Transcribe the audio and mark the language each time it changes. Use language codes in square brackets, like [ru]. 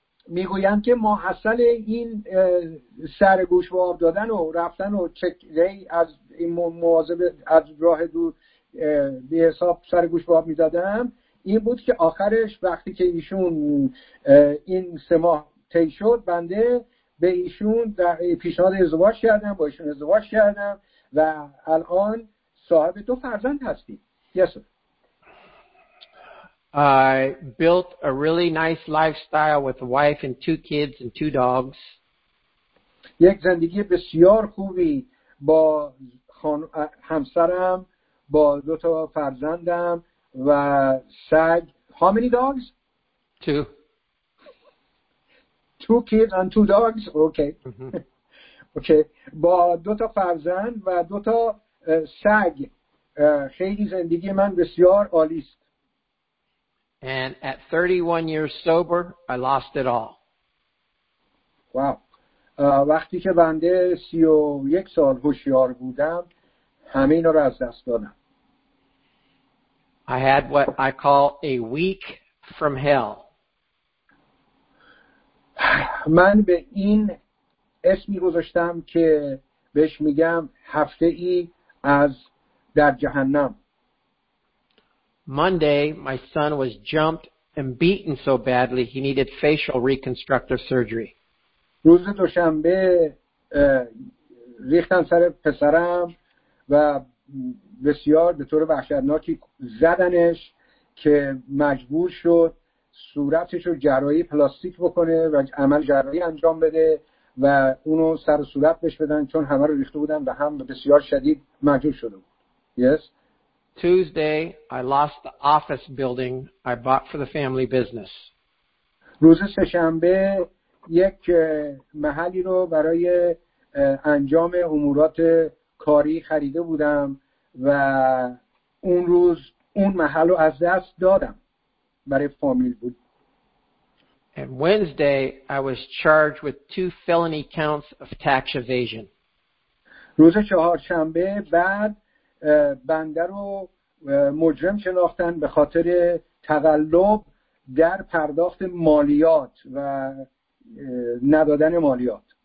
[fa] میگویم که ما حاصل این سرگوش و آب دادن و رفتن و چکری از این مواظب از راه دور به حساب سرگوش و آب می‌دادم این بود که آخرش وقتی که ایشون این 3 ماه طی شد بنده به ایشون در پیشنهاد ازدواج کردم، با ایشون ازدواج کردم و الان صاحب دو فرزند هستیم. [en] Yes, sir. I built a really nice lifestyle with a wife and two kids and two dogs. [fa] یک زندگی بسیار خوبی با همسرم با دو تا فرزندم و سگ. [en] How many dogs? Two. Two kids and two dogs. Okay. Mm-hmm. Okay. [fa] با دو تا فرزند و دو تا سگ. خیلی زندگی من بسیار عالی است. [en] And at 31 years sober, I lost it all. Wow. [fa] وقتی که بنده 31 سال هوشیار بودم همه اینا رو از دست دادم. [en] I had what I call a week from hell. [fa] من به این اسمی گذاشتم که بهش میگم هفته ای از در جهنم. [en] Monday, my son was jumped and beaten so badly he needed facial reconstructive surgery. [fa] روز دوشنبه ریختن سر پسرم و بسیار به طور وحشتناکی زدنش که مجبور شد صورتش رو جراحی پلاستیک بکنه و عمل جراحی انجام بده و اونو سر صورت بش بدن چون همه رو ریخته بودن و هم بسیار شدید مجبور شده بود. [en] Yes. Tuesday, I lost the office building I bought for the family business. [fa] روز سه‌شنبه یک محلی رو برای انجام امورات کاری خریده بودم و اون روز اون محل رو از دست دادم برای فامیل بود. [en] And Wednesday I was charged with two felony counts of tax evasion. [fa] روز چهارشنبه بعد بنده رو مجرم شناختن به خاطر تقلب در پرداخت مالیات و ندادن مالیات.